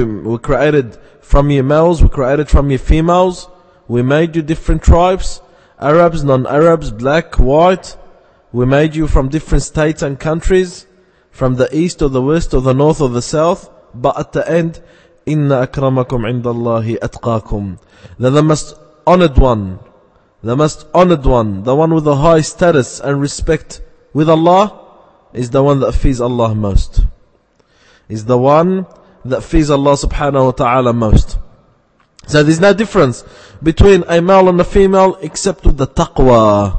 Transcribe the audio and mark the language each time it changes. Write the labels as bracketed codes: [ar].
[en] We created from you males. We created from you females. We made you different tribes. Arabs, non-Arabs, black, white. We made you from different states and countries. From the east or the west or the north or the south. But at the end, [ar] إِنَّ أَكْرَمَكُمْ عِنْدَ اللَّهِ أَتْقَاكُمْ. [en] That the most honored one, the one with the high status and respect with Allah, is the one that fears Allah most. Is the one that fears Allah subhanahu wa ta'ala most. So there's no difference between a male and a female except with the taqwa.